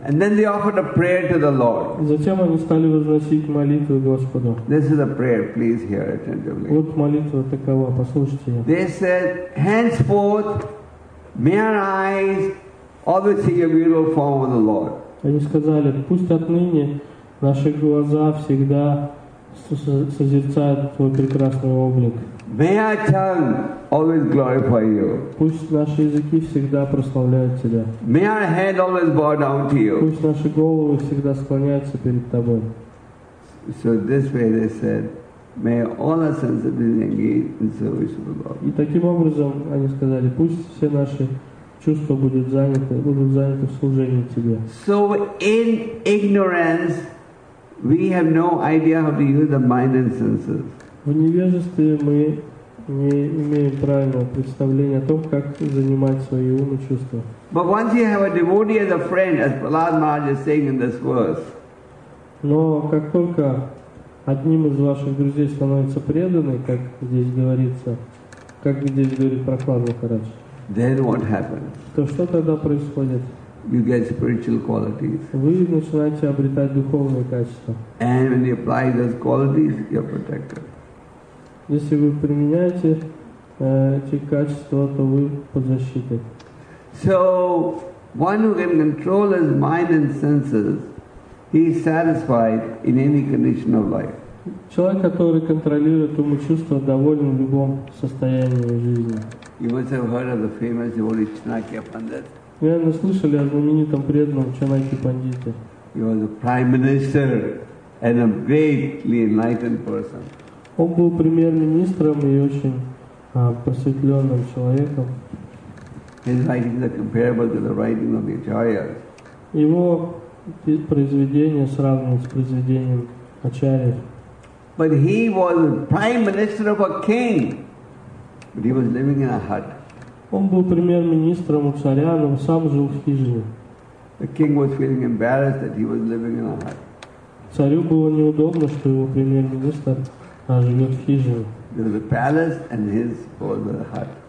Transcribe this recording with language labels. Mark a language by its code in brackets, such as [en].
[en] And then they offered a prayer to the Lord. [ru] Затем они стали возносить молитву Господу. [en] This is a prayer. Please hear attentively. [ru] Вот молитва такова, послушайте. [en] They said, "Henceforth, may our eyes always see your beautiful form of the Lord." [ru] Они сказали, пусть отныне наши глаза всегда созерцают твой прекрасный облик. [en] May our tongue always glorify you. [ru] Пусть наши языки всегда прославляют тебя. [en] May our head always bow down to you. [ru] Пусть наши головы всегда склоняются перед тобой. [en] So this way they said, "May all our senses be engaged in service of the Lord." [ru] И таким образом они сказали, пусть все наши чувства будут заняты в служении тебе. [en] So in ignorance, we have no idea how to use the mind and senses. [ru] В невежестве мы не имеем правильного представления о том, как занимать свои умы чувства. [en] But once you have a devotee as a friend, as Prahlad Maharaj is saying in this verse. [ru] Но как только одним из ваших друзей становится преданный, как здесь говорит Прохлад Махарадж. [en] Then what happens? [ru] То что тогда происходит? [en] You get spiritual qualities. [ru] Вы начинаете обретать духовные качества. [en] And when you apply those qualities, you're protected. [ru] Если вы применяете эти качества, то вы под защитой. [en] So one who can control his mind and senses, he is satisfied in any condition of life. [ru] Человек, который контролирует ум и чувства, доволен в любом состоянии жизни. [en] You must have heard of the famous devotee Chanakya Pandit. [ru] Вы, наверное, слышали о знаменитом преданном Чанакья Пандите. [en] He was a prime minister and a greatly enlightened person. [ru] Он был премьер-министром и очень просветленным человеком. [en] His writings are comparable to the writings of the Acharyas. [ru] Его произведения сравнены с произведением Ачарьев. [en] But he was prime minister of a king. But he was living in a hut. [ru] Он был премьер-министром у царя, но сам жил в хижине. [en] The king was feeling embarrassed that he was living in a hut. [ru] Царю было неудобно, что его премьер-министр живет в хижине. [en] There was a palace and his was a hut.